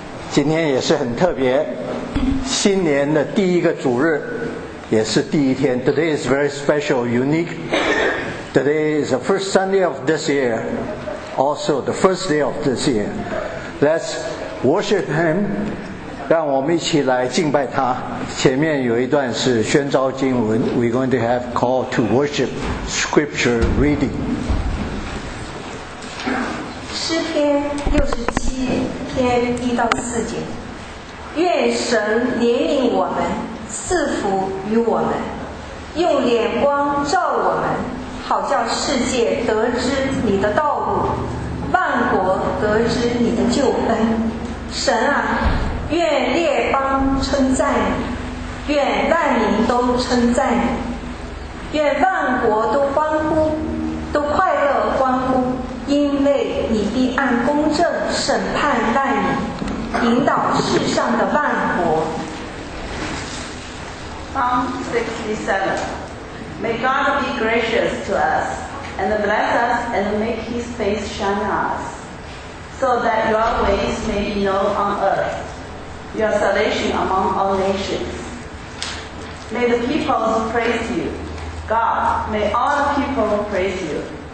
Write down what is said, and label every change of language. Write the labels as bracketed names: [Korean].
[Chinese] 今天也是很特别，新年的第一个主日，也是第一天。 [English] Today is very special, unique. Today is the first Sunday of this year, also the first day of this year. Let's worship Him. [Chinese] 让我们一起来敬拜他。前面有一段是宣召经文 [English] ，We're going to have call to worship scripture reading. [Chinese] 诗篇六十七篇一到四节，愿神怜悯我们，赐福于我们，用眼光照我们，好叫世界得知你的道路，万国得知你的救恩。神啊，愿列邦称赞你，愿万民都称赞你，愿万国都欢呼，都快乐欢呼，因为你必按公正审判万民，引导世上的万国。 [English] Psalm 67. May God be gracious to us, and bless us, and make His face shine on us, so that your ways may be known on earth, your salvation among all nations. May the peoples praise you. God, may all the people praise you.